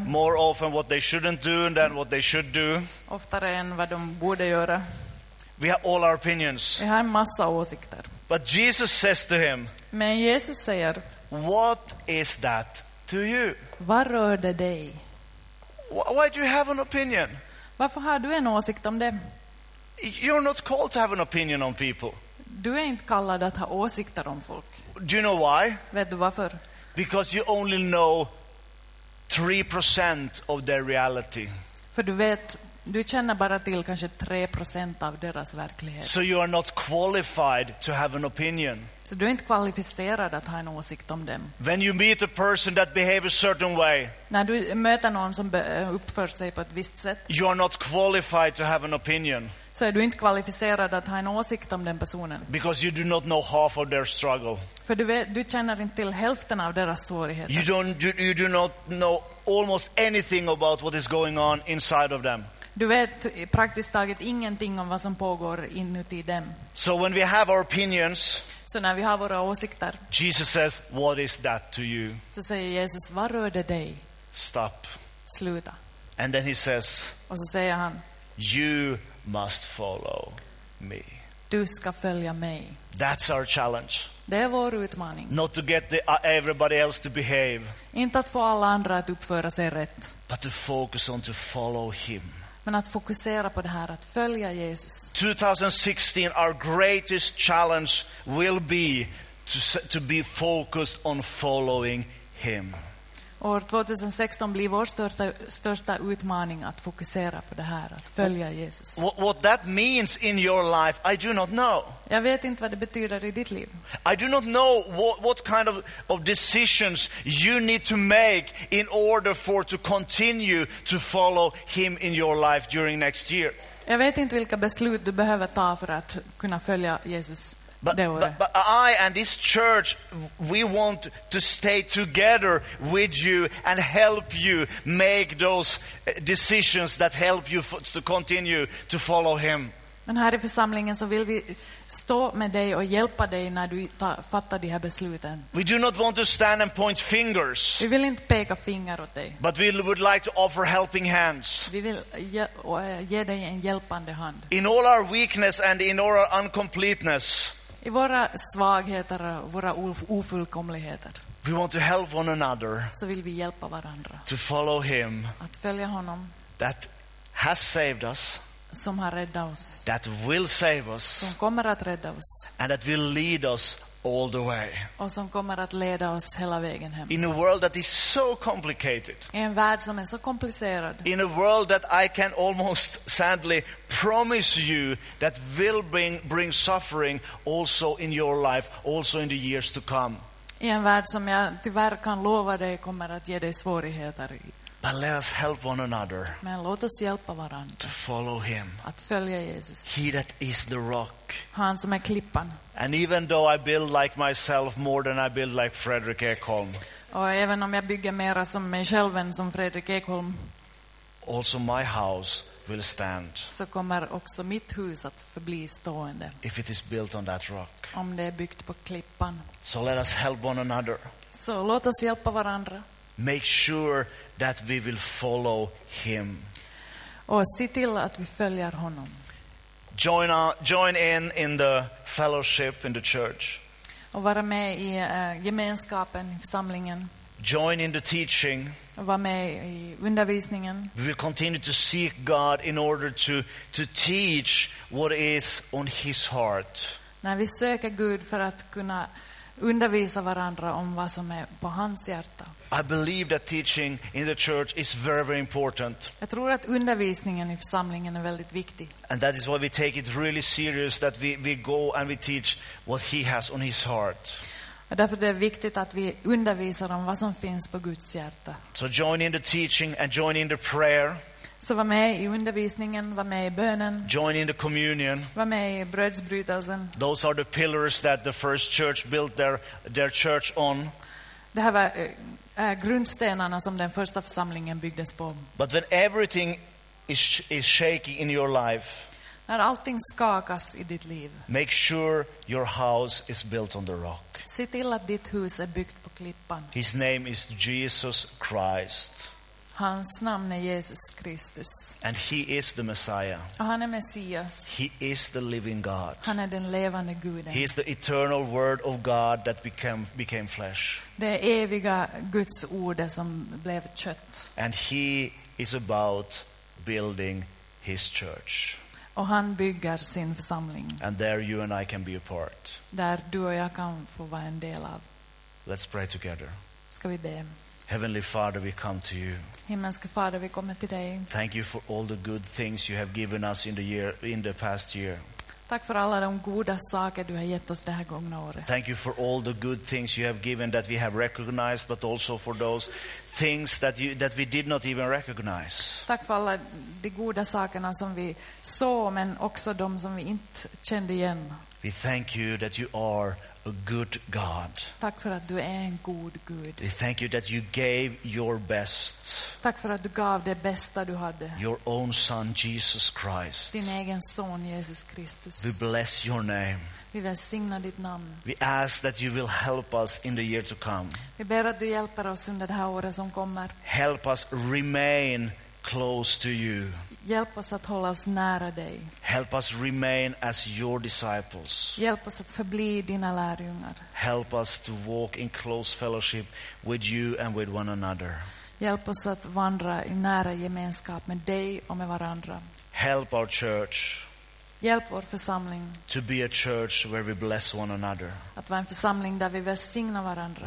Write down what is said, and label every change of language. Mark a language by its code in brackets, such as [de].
[en] More often what they shouldn't do than what they should do. [sv] Oftare än vad de borde göra. [en] We have all our opinions. [sv] Vi har en massa åsikter. [en] But Jesus says to him, [sv] men Jesus säger, [en] what is that to you? [sv] Vad rör det dig? [en] Why do you have an opinion? [sv] Varför har du en åsikt om det? [en] You're not called to have an opinion on people. [sv] Du är inte kallad att ha åsikter om folk. [en] Do you know why? [sv] Vet du varför? [en] Because you only know 3% of their reality. [sv] För du vet, du känner bara till kanske 3% av deras verklighet. [en] So you are not qualified to have an opinion. [sv] Så du är inte kvalificerad att ha en åsikt om dem. [en] When you meet a person that behaves a certain way. [sv] När du möter någon som uppför sig på ett visst sätt. [en] You are not qualified to have an opinion. [sv] Så är du inte kvalificerad att ha en åsikt om den personen. [en] Because you do not know half of their struggle. [sv] För du känner inte till hälften av deras svårigheter. [en] You do not know almost anything about what is going on inside of them. [sv] Du vet praktiskt taget ingenting om vad som pågår inuti dem. [en] So when we have our opinions, [sv] så när vi har våra åsikter, [en] Jesus says, what is that to you? [sv] Så säger Jesus, vad rör det dig? [en] Stop. [sv] Sluta. [en] And then he says, [sv] och så säger han, [en] you must follow me. [sv] Du ska följa mig. [en] That's our challenge. [sv] Det är vår utmaning. [en] Not to get everybody else to behave. [sv] Inte att få alla andra att uppföra sig rätt. [en] But to focus on to follow him. [sv] Men att fokusera på det här, att följa Jesus. [en] 2016, our greatest challenge will be to be focused on following him. [sv] År 2016 blir vår största utmaning att fokusera på det här, att följa Jesus. [en] What that means in your life, I do not know. [sv] Jag vet inte vad det betyder i ditt liv. [en] I do not know what kind of decisions you need to make in order for to continue to follow him in your life during next year. [sv] Jag vet inte vilka beslut du behöver ta för att kunna följa Jesus. [en] But I and this church, we want to stay together with you and help you make those decisions that help you to continue to follow him. [sv] Men här i församlingen så vill vi stå med dig och hjälpa dig när du fattar de här besluten. [en] We do not want to stand and point fingers. [sv] Vi vill inte peka finger åt dig. [en] But we would like to offer helping hands. [sv] Vi vill ge dig en hjälpande hand. [en] In all our weakness and in all our incompleteness. [sv] I våra svagheter och våra ofullkomligheter. [en] We want to help one another. [sv] Så vill vi hjälpa varandra. [en] To follow him. [sv] Att följa honom. [en] That has saved us. [sv] Som har räddat oss. [en] That will save us. [sv] Som kommer att rädda oss. [en] And that will lead us all the way. [sv] Och som kommer att leda oss hela vägen hem. [en] In a world that is so complicated. [sv] I en värld som är så komplicerad. [en] In a world that I can almost sadly promise you that will bring suffering also in your life, also in the years to come. [sv] I en värld som jag tyvärr kan lova dig kommer att ge dig svårigheter. [en] But let us help one another. [sv] Men låt oss hjälpa varandra. [en] To follow him. [sv] Att följa Jesus. [en] He that is the rock. [sv] Han som är klippan. [en] And even though I build like myself more than I build like Fredrik Ekholm. [sv] Och även om jag bygger mer som mig själv än som Fredrik Ekholm. [en] Also my house will stand. [sv] Så kommer också mitt hus att förbli stående. [en] If it is built on that rock. [sv] Om det är byggt på klippan. [en] So let us help one another. [sv] Så låt oss hjälpa varandra. [en] Make sure that we will follow him. [sv] Och se till att vi följer honom. [en] Join in the fellowship in the church. [sv] Och vara med i gemenskapen i församlingen. [en] Join in the teaching. [sv] Vara med i undervisningen. [en] We will continue to seek God in order to teach what is on his heart. [sv] När vi söker Gud för att kunna undervisa varandra om vad som är på hans hjärta. [en] I believe that teaching in the church is very, very important. [sv] Jag tror att undervisningen i församlingen är väldigt viktig. [en] And that is why we take it really serious that we go and we teach what he has on his heart. [sv] Och därför det är viktigt att vi undervisar om vad som finns på Guds hjärta. [en] So join in the teaching and join in the prayer. [sv] Så var med i undervisningen, var med i bönen. [en] Join in the communion. [sv] Var med i brödsbrytelsen. [en] Those are the pillars that the first church built their church on. [sv] Det här var grundstenarna som den första församlingen byggdes på. [en] But when everything is shaking in your life. [sv] När allting skakas i ditt liv. [en] Make sure your house is built on the rock. [sv] Se till att ditt hus är byggt på klippan. [en] His name is Jesus Christ. [sv] Hans namn är Jesus Kristus. [en] And he is the Messiah. [sv] Och han är Messias. [en] He is the living God. [sv] Han är den levande guden. [en] He is the eternal word of God that became flesh. [sv] Det eviga Guds ord som blev kött. [en] And he is about building his church. [sv] Och han bygger sin församling. [en] And there you and I can be a part. [sv] Där du och jag kan få vara en del av. [en] Let's pray together. [sv] Ska vi be? [en] Heavenly Father, we come to you. [sv] Himmelske Fader, vi kommer till dig. [en] Thank you for all the good things you have given us in the past year. [sv] Tack för alla de goda saker du har gett oss det här gångna året. [en] Thank you for all the good things you have given that we have recognized, but also for those things that we did not even recognize. [sv] Tack för alla de goda sakerna som vi såg, men också de som vi inte kände igen. [en] We thank you that you are a good God. [sv] Tack för att du är en god Gud. [en] We thank you that you gave your best. [sv] Tack för att du gav det bästa du hade. [en] Your own son Jesus Christ. [sv] Din egen son Jesus Kristus. [en] We bless your name. [sv] Vi välsignar ditt namn. [en] We ask that you will help us in the year to come. [sv] Vi ber att du hjälper oss under det här året som kommer. [en] Help us remain close to you. [sv] Hjälp oss att hålla oss nära dig. [en] Help us remain as your disciples. [sv] Hjälp oss att förbli dina lärjungar. [en] Help us to walk in close fellowship with you and with one another. [sv] Hjälp oss att vandra i nära gemenskap med dig och med varandra. [en] Help our church. [sv] Hjälp vår församling. [en] To be a church where we bless one another. [sv] Att vara en församling där vi välsignar varandra.